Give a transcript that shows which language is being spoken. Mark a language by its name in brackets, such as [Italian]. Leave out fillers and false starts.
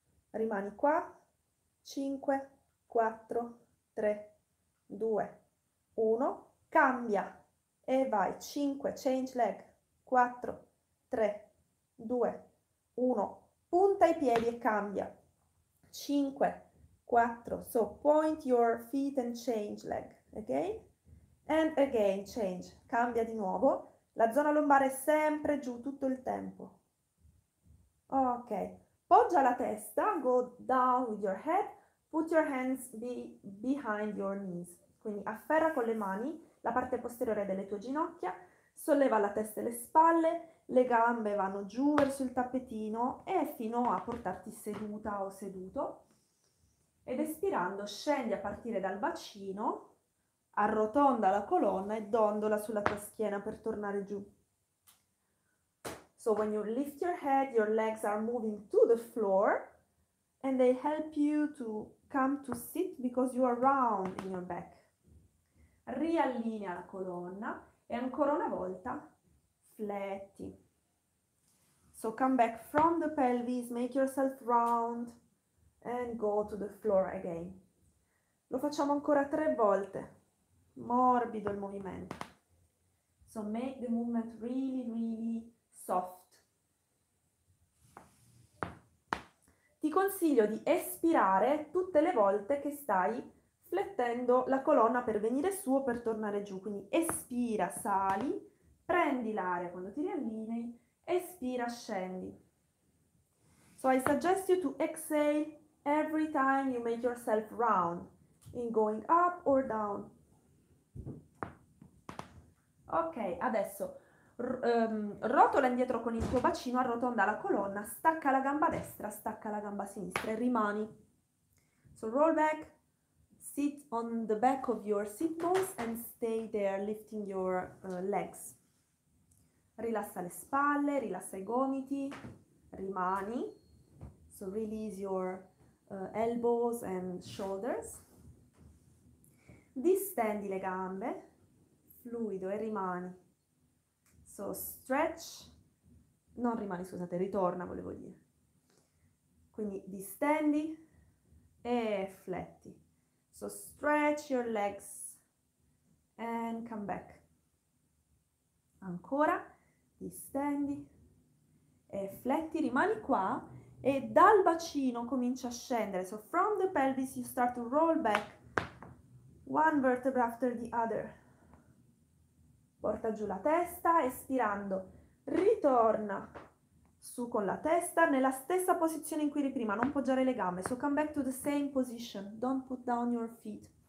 [Italian] Rimani qua, 5, 4, 3, 2, 1, cambia e vai, 5, [English] change leg, [Italian] 4, 3, 2, 1, punta i piedi e cambia, 5, 4, [English] so point your feet and change leg, again, and again, change, [Italian] cambia di nuovo, la zona lombare è sempre giù tutto il tempo, ok. Poggia la testa, [English] go down with your head, put your hands behind your knees. [Italian] Quindi afferra con le mani la parte posteriore delle tue ginocchia, solleva la testa e le spalle, le gambe vanno giù verso il tappetino e fino a portarti seduta o seduto. Ed espirando scendi a partire dal bacino, arrotonda la colonna e dondola sulla tua schiena per tornare giù. [English] So when you lift your head, your legs are moving to the floor and they help you to come to sit because you are round in your back. [Italian] Riallinea la colonna e ancora una volta fletti. [English] So come back from the pelvis, make yourself round and go to the floor again. [Italian] Lo facciamo ancora tre volte. Morbido il movimento. [English] So make the movement really, really soft. [Italian] Ti consiglio di espirare tutte le volte che stai flettendo la colonna per venire su o per tornare giù. Quindi espira, sali, prendi l'aria quando ti riallinei, espira, scendi. [English] So I suggest you to exhale every time you make yourself round, in going up or down. [Italian] Ok, adesso rotola indietro con il tuo bacino, arrotonda la colonna, stacca la gamba destra, stacca la gamba sinistra e rimani. [English] So roll back, sit on the back of your sit bones and stay there lifting your legs. [Italian] Rilassa le spalle, rilassa i gomiti, rimani. [English] So release your elbows and shoulders. [Italian] Distendi le gambe, fluido e rimani. [English] So stretch, [Italian] non rimani, scusate, ritorna, volevo dire. Quindi distendi e fletti. [English] So stretch your legs and come back. [Italian] Ancora, distendi e fletti, rimani qua e dal bacino comincia a scendere. [English] So from the pelvis you start to roll back one vertebra after the other. [Italian] Porta giù la testa, espirando, ritorna su con la testa nella stessa posizione in cui eri prima, non poggiare le gambe. [English] So come back to the same position, don't put down your feet.